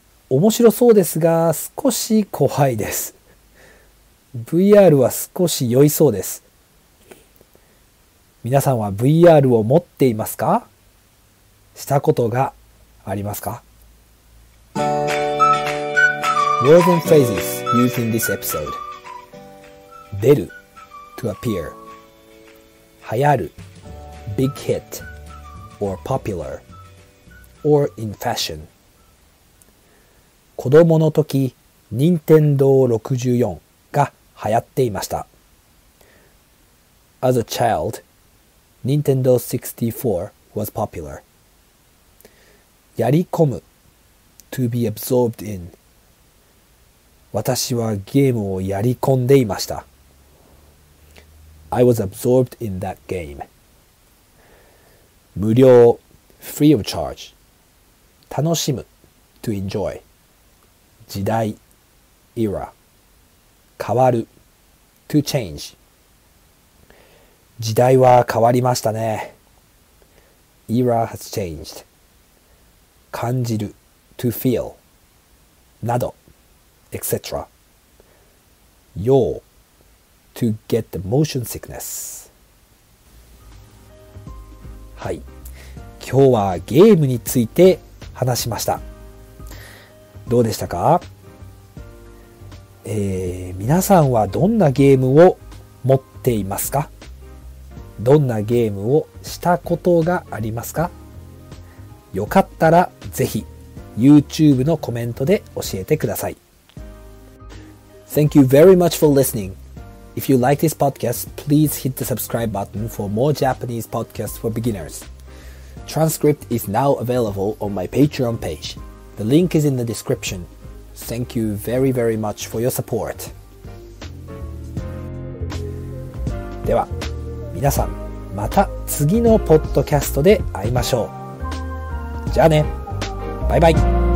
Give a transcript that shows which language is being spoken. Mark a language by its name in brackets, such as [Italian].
[Japanese] 面白そうですが少し怖いです。VR は少し酔いそうです。皆さんは VR を持っていますか？したことがありますか？ [English] Words and phrases used in this episode. 出る to appear. 流行る big hit or popular. or in fashion. [Japanese] 子供の時、任天堂64が流行っていました。 [English] As a child, Nintendo 64 was popular. やり込む、to be absorbed in. [Japanese] 私はゲームをやり込んでいました。 [English] I was absorbed in that game. 無料 free of charge. 楽しむ to enjoy. 時代 era. 変わる to change. [Japanese] 時代は変わりましたね。 [English] era has changed. 感じる to feel. など etc. 用to get the motion sickness. [Japanese] はい、今日はゲームについて話しました。どうでしたか？皆さんはどんなゲームを持っていますか？どんなゲームをしたことがありますか？よかったらぜひ YouTube のコメントで教えてください。 [English] Thank you very much for listeningIf you like this podcast, please hit the subscribe button for more Japanese podcasts for beginners. Transcript is now available on my Patreon page. The link is in the description. Thank you very, very much for your support. [Japanese] では、皆さん、また次のポッドキャストで会いましょう。じゃあね。バイバイ。